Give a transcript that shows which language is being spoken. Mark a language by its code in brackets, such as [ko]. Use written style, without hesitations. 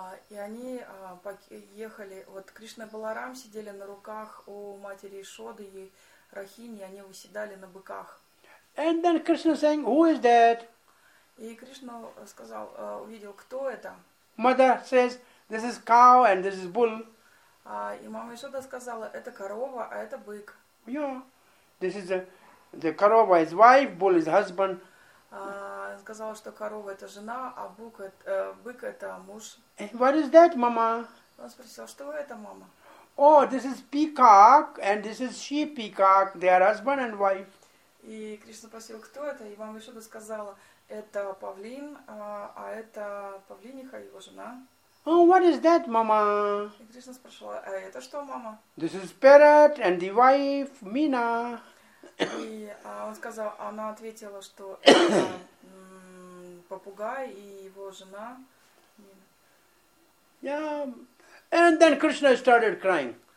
[ru] И они ехали, вот Кришна и Баларам сидели на руках у матери Ишоды и Рахини, они выседали на быках. [en] And then Krishna saying, who is that? [ru] И Кришна сказал, увидел, кто это. [en] Mother says, this is cow and this is bull. [ru] И мама Ишода сказала, это корова, а это бык. [en] Yeah, this is the корова is wife, bull is husband. [ru] Сказала, что корова это жена, а бык это муж. [en] And what is that, mama? [ru] Он спросил, что это, мама? [en] Oh, this is peacock and this is she peacock. They are husband and wife. [ru] И Кришна спросил, кто это, и мама Ишода сказала, это павлин, а это павлиниха, его жена. [en] Oh, what is that, mama? [ru] И Кришна спросила, а это что, мама? [en] This is parrot and the wife, Meena. [ru] И он сказал, она ответила, что это попугай и его жена. [en] Yeah, and then Krishna started crying.